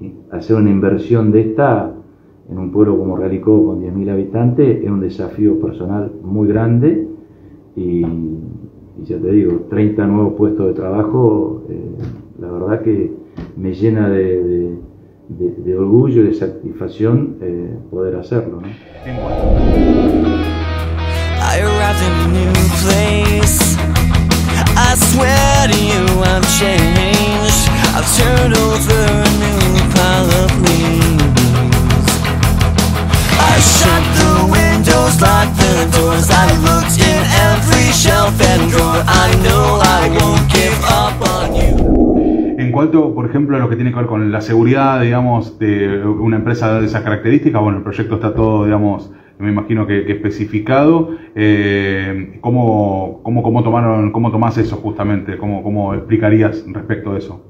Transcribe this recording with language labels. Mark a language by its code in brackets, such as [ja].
[es] hacer una inversión de esta en un pueblo como Realicó con 10.000 habitantes es un desafío personal muy grande y ya te digo, 30 nuevos puestos de trabajo, la verdad que me llena de orgullo y de satisfacción poder hacerlo, ¿no? [en] I arrived in a new place. I swear to you I've changed. I've turned over a new pile of leaves. I shut the windows, locked the doors. I looked in every shelf and drawer. I know I won't give up on you. [es] En cuanto, por ejemplo, a lo que tiene que ver con la seguridad, digamos, de una empresa de esas características, bueno, el proyecto está todo, digamos, me imagino que especificado. ¿Cómo tomás eso justamente? ¿Cómo explicarías respecto a eso?